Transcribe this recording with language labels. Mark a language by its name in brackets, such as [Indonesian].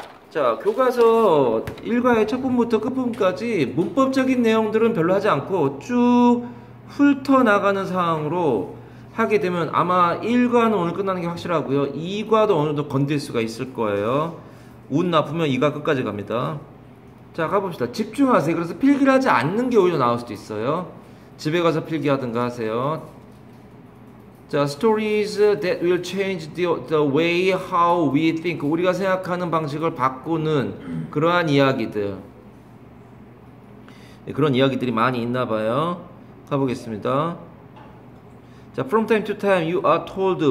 [Korean] 자, 교과서 1과의 첫 부분부터 끝 부분까지 문법적인 내용들은 별로 하지 않고 쭉 훑어나가는 상황으로 하게 되면 아마 1과는 오늘 끝나는 게 확실하고요. 2과도 어느 정도 건들 수가 있을 거예요. 운 나쁘면 2과 끝까지 갑니다. 자, 가봅시다. 집중하세요. 그래서 필기를 하지 않는 게 오히려 나을 수도 있어요. 집에 가서 필기하든가 하세요. [English] 자, stories that will change the way how we think. [Korean] 우리가 생각하는 방식을 바꾸는 그러한 이야기들. 네, 그런 이야기들이 많이 있나 봐요. 가보겠습니다. [English] 자, from time to time you are told.